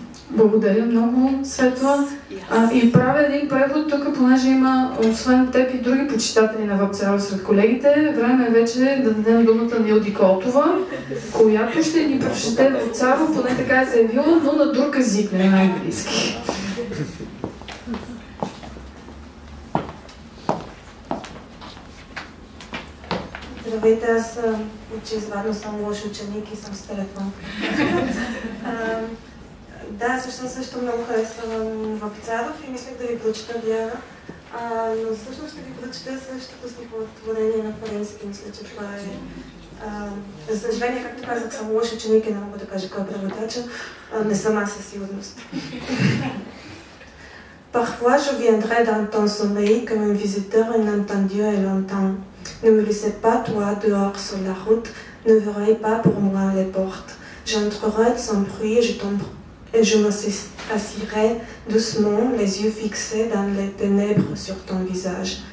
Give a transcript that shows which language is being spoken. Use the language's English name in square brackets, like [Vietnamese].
[Bulgarian] Благодаря много, Светла. И правя един превод тук, понеже има освен теб и други почитатели на Вапцаров сред колегите. Време е вече да дадем думата на Илди Колтова, която ще ни прочете Вапцаров, поне така е заявила, но на друг език, не на английски. Здравейте, аз очевидно съм лош ученик и съм с телефон. Да, всъщност също много харесвам Вапцаров и мислях да ви прочета Вяра. Но всъщност ще ви прочета същото стихотворение на Паренски. Мисля, че това е... За съжаление, както казах, съм лош ученик и не мога да кажа кой е преводача. Не съм аз със сигурност. [French] Parfois, je viendrai dans ton sommeil comme un visiteur inattendu et longtemps. Ne me laissez pas, toi, dehors sur la route, ne verrai pas pour moi les portes. J'entrerai sans bruit et je m'assirai doucement, les yeux fixés dans les ténèbres sur ton visage.